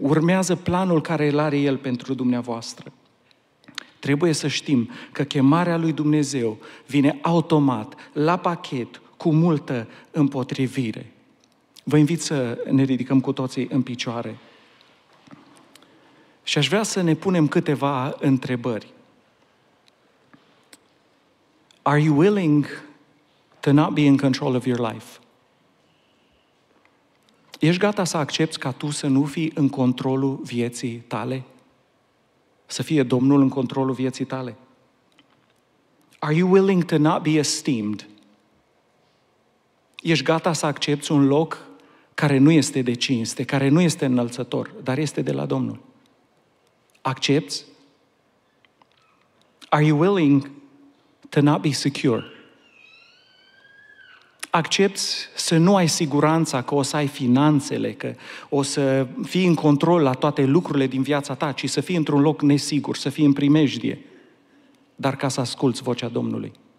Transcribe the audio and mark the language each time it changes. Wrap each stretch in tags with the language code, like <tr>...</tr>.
<ro>Urmează planul care îl are El pentru dumneavoastră. Trebuie să știm că chemarea lui Dumnezeu vine automat, la pachet, cu multă împotrivire. Vă invit să ne ridicăm cu toții în picioare. Și aș vrea să ne punem câteva întrebări.</ro> <en>Are you willing to not be in control of your life?</en> <ro>Ești gata să accepți ca tu să nu fii în controlul vieții tale? Să fie Domnul în controlul vieții tale?</ro> <en>Are you willing to not be esteemed?</en> <ro>Ești gata să accepți un loc care nu este de cinste, care nu este înălțător, dar este de la Domnul? Accepți?</ro> <en>Are you willing to not be secure?</en> <ro>Accepți să nu ai siguranța că o să ai finanțele, că o să fii în control la toate lucrurile din viața ta, ci să fii într-un loc nesigur, să fii în primejdie, dar ca să asculți vocea Domnului.</ro>